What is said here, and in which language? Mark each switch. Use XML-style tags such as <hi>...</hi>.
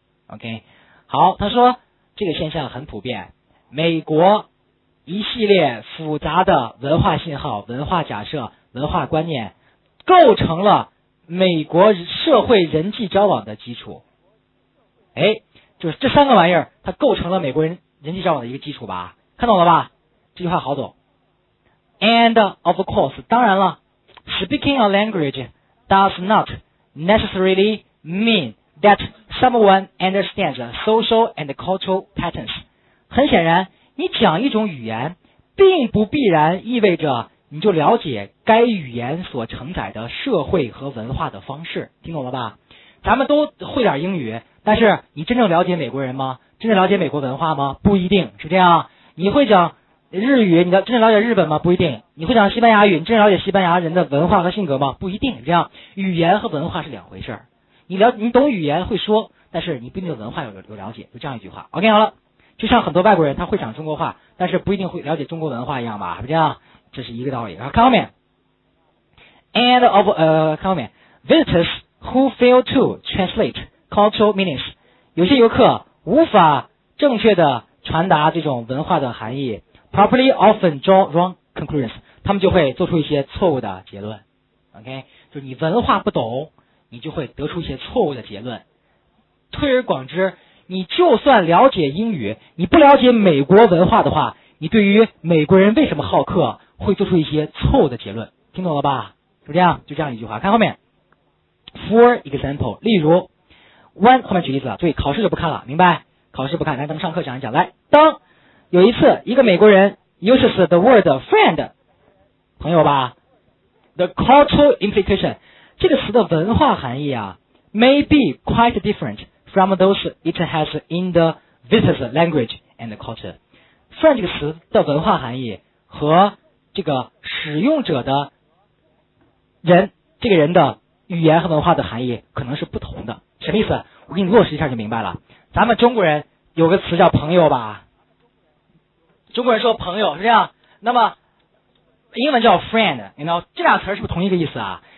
<zh>OK， 好，他说这个现象很普遍，美国一系列复杂的文化信号、文化假设、文化观念，构成了美国社会人际交往的基础。哎。就是这三个玩意儿它构成了美国人际交往的一个基础吧，看懂了吧？这句话好懂。</zh> <en>And of course，当然了， speaking a language does not necessarily mean that someone understands social and cultural patterns。</en> <zh>很显然，你讲一种语言并不必然意味着你就了解该语言所承载的社会和文化的方式，听懂了吧？咱们都会点英语，但是你真正了解美国人吗？真正了解美国文化吗？不一定，是这样。你会讲日语，你真正了解日本吗？不一定。你会讲西班牙语，你真正了解西班牙人的文化和性格吗？不一定，是这样。语言和文化是两回事。你懂语言会说，但是你不一定文化有了解，就这样一句话。 OK， 好了，就像很多外国人他会讲中国话，但是不一定会了解中国文化一样吧，是这样，这是一个道理。</zh> <en>看后面，and of 看后面 ，visitors who fail to translate。</en> <zh>Cultural meanings，有些游客无法正确的传达这种文化的含义 ， properly often draw wrong conclusions，他们就会做出一些错误的结论。 OK， 就是你文化不懂，你就会得出一些错误的结论。推而广之，你就算了解英语，你不了解美国文化的话，你对于美国人为什么好客，会做出一些错误的结论。听懂了吧？就这样，就这样一句话。看后面 ， for example，例如。one 后面举例子，对，考试就不看了，明白？考试不看，来，咱们上课讲一讲。来，当有一次，一个美国人 uses the word friend，朋友吧 ， the cultural implication 这个词的文化含义啊 ， may be quite different from those it has in the visitor's language and culture。 friend 这个词的文化含义和这个使用者的人，这个人的语言和文化的含义可能是不同的。什么意思？我给你落实一下就明白了。咱们中国人有个词叫朋友吧，中国人说朋友是这样，那么英文叫 friend， you know， 这俩词是不是同一个意思啊？</zh>